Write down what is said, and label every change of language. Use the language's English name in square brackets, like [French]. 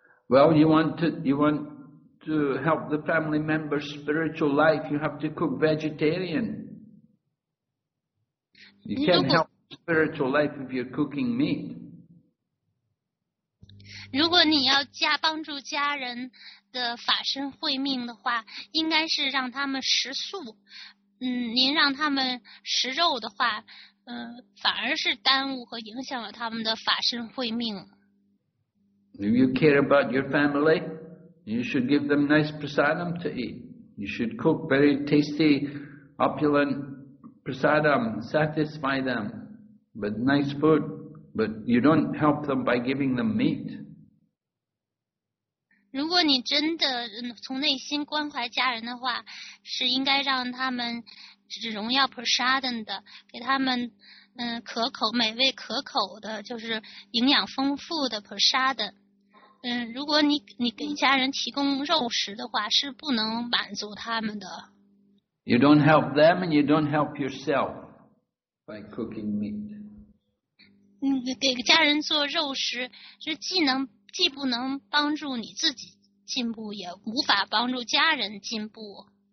[English] Well, you want to help the family member's spiritual life, you have to cook vegetarian. You can't help spiritual life if you're cooking meat. [Chinese] 如果你要帮助家人的法身慧命的话，应该是让他们食素。您让他们食肉的话，反而是耽误和影响了他们的法身慧命。 [English] If you care about your family, you should give them nice prasadam to eat. You should cook very tasty, opulent prasadam, satisfy them with nice food. But you don't help them by giving them meat. [Chinese] 如果你真的从内心关怀家人的话，是应该让他们只荣耀 prasadam 的，给他们可口美味可口的，就是营养丰富的 prasadam。如果你给家人提供肉食的话，是不能满足他们的。 [English] You don't help them and you don't help yourself by cooking meat. [Chinese] 给家人做肉食，是既不能帮助你自己进步，也无法帮助家人进步。